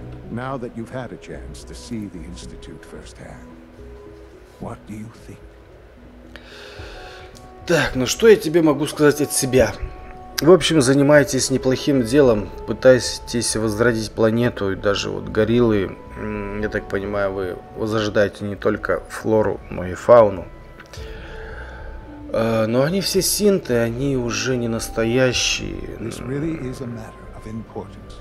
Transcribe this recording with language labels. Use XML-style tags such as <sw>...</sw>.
<en>Now that you've had a chance to see the Institute firsthand, what do you think?</en> <ru>Так, ну что я тебе могу сказать от себя? В общем, занимаетесь неплохим делом, пытаетесь возродить планету, и даже вот гориллы, я так понимаю, вы возрождаете не только флору, но и фауну. Но они все синты, они уже не настоящие.</ru> <en>This really is a matter of importance.</en>